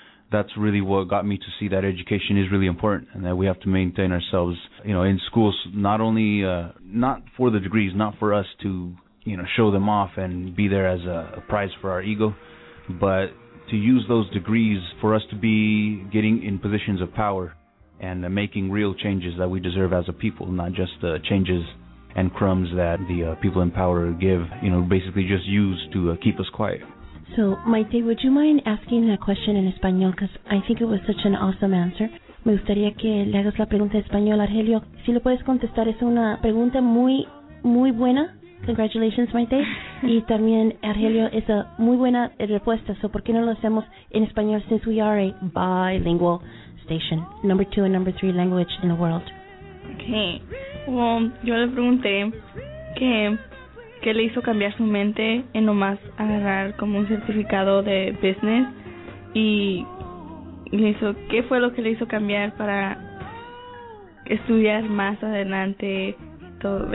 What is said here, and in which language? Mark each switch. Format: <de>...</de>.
<en>That's really what got me to see that education is really important and that we have to maintain ourselves, you know, in schools, not only, not for the degrees, not for us to, you know, show them off and be there as a prize for our ego, but to use those degrees for us to be getting in positions of power and making real changes that we deserve as a people, not just the changes and crumbs that the people in power give, you know, basically just use to keep us quiet. So, Maite, would you mind asking that question in español? Because I think it was such an awesome answer.</en> <es>Me gustaría que le hagas la pregunta en español, Argelio. Si lo puedes contestar, es una pregunta muy, muy buena. Congratulations, Maite. Y también, Argelio, es una muy buena respuesta. So, ¿por qué no lo hacemos en español?</es> <en>Since we are a bilingual station, number two and number three language in the world.</en> <es>Okay. Well, yo le pregunté que... ¿Qué le hizo cambiar su mente en nomás agarrar como un certificado de business? Y le hizo, ¿qué fue lo que le hizo cambiar para estudiar más adelante todo?</es>